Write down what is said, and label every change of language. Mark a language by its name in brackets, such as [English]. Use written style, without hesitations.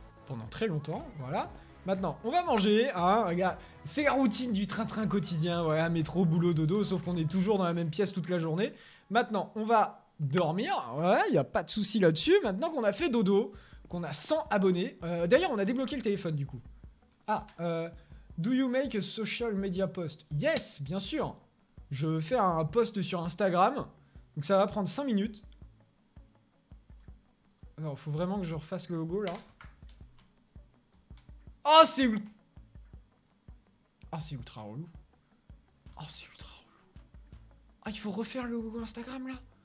[French] Pendant très longtemps, voilà. Maintenant, on va manger, hein, regarde. C'est la routine du train-train quotidien, voilà. Métro, boulot, dodo, sauf qu'on est toujours dans la même pièce toute la journée. Maintenant, on va dormir. Ouais, il n'y a pas de souci là-dessus. Maintenant qu'on a fait dodo, qu'on a 100 abonnés. D'ailleurs, on a débloqué le téléphone, du coup. [English] Ah, Do you make a social media post? Yes, [French] bien sûr. Je veux faire un post sur Instagram. Donc ça va prendre 5 minutes. Non, faut vraiment que je refasse le logo là. Oh, c'est... Oh, c'est ultra relou. Oh, c'est ultra relou. Ah, oh, il faut refaire le logo Instagram là.